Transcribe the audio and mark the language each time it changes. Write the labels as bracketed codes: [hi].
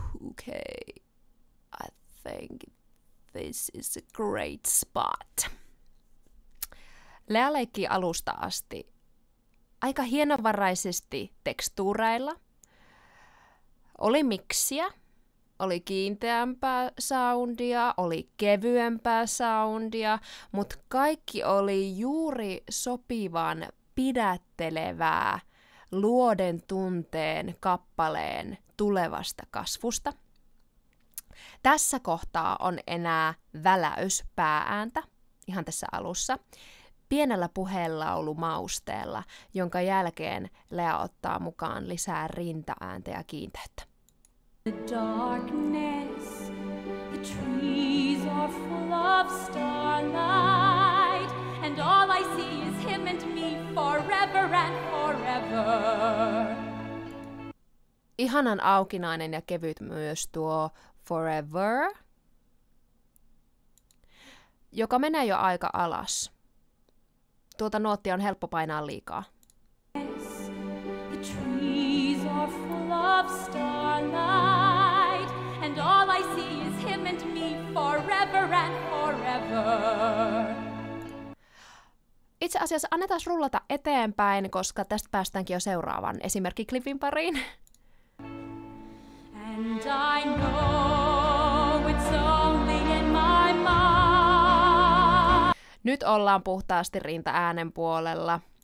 [en] Okay, I think this is a great spot. [fi] Lea leikki alusta asti aika hienovaraisesti tekstuureilla. Oli miksiä, oli kiinteämpää soundia, oli kevyempää soundia, mutta kaikki oli juuri sopivan pidättelevää luoden tunteen kappaleen tulevasta kasvusta. Tässä kohtaa on enää väläys pääääntä, ihan tässä alussa, pienellä puheenlaulumausteella, jonka jälkeen Lea ottaa mukaan lisää rintaääntä ja kiinteyttä. [en] The darkness, the trees are full of starlight, and all I see is him and me forever and forever. [fi] Ihanan aukinainen ja kevyt myös tuo forever, joka menee jo aika alas. Tuota nuottia on helppo painaa liikaa. [en] The trees are full of starlight, and all I see is him and me forever and forever. [fi] itse asiassa annetaan rullata eteenpäin, koska tästä päästäänkin jo seuraavan esimerkki klipin pariin. [en] And I know it's only in my mind. [fi] Nyt ollaan puhtaasti rinta äänen puolella.